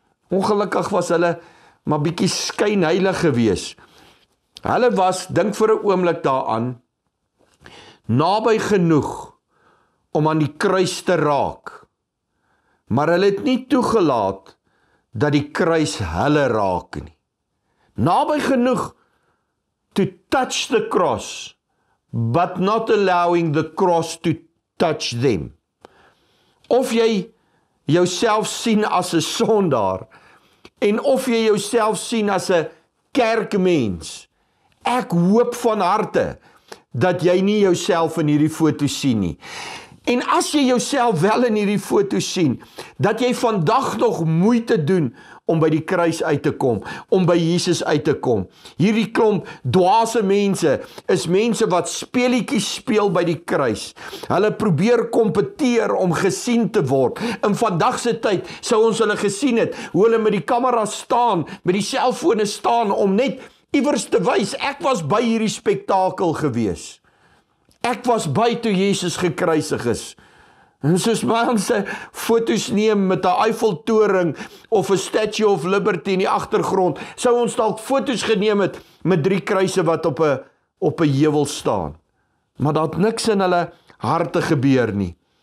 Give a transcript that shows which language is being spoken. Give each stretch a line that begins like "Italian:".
Afrikaans: ongelukkig was hulle maar bietjie skynheilig gewees, hulle was, dink vir 'n oomblik daaraan, naby genoeg om aan die kruis te raak, maar hulle het nie toegelaat dat die kruis hulle raak nie. Naby genoeg
English: to touch the cross, but not allowing the cross to touch them.
Afrikaans: Of jy jouself sien as 'n sondaar en of jy jouself sien as 'n kerkmens, ek hoop van harte dat jy nie jouself in hierdie foto sien nie. En as jy jouself wel in hierdie foto sien, dat jy vandag nog moeite doen om by die kruis uit te kom, om by Jesus uit te kom. Hierdie klomp dwaase mense is mense wat speelietjies speel by die kruis. Hulle probeer kompeteer om gesien te word. In vandag se tyd sou ons hulle gesien het, hoe hulle met die kamera staan, met die selfone staan om net iewers te wys, ek was by hierdie spektakel gewees. Ek was by toe Jesus gekruisig is. En soos mense foto's neem met 'n Eiffeltoring of 'n Statue of Liberty in die agtergrond, sou ons dalk foto's geneem het met 3 kruise wat op 'n heuwel staan. Maar daar het niks in hulle harte gebeur nie.